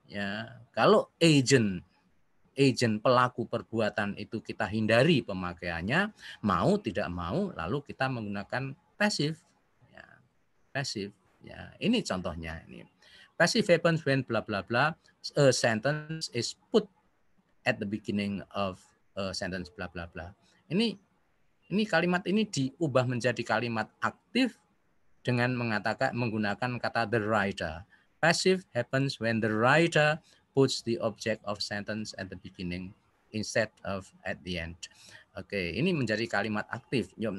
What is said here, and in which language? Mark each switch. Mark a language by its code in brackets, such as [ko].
[id] Ya, kalau agent pelaku perbuatan itu kita hindari pemakaiannya, mau tidak mau lalu kita menggunakan passive. Ya, ini contohnya ini. [en] Passive happens when blah blah blah a sentence is put at the beginning of a sentence blah blah blah. [id] Ini kalimat ini diubah menjadi kalimat aktif dengan menggunakan kata the writer. [en] Passive happens when the writer puts the object of sentence at the beginning instead of at the end. [id] Okay, ini menjadi kalimat aktif.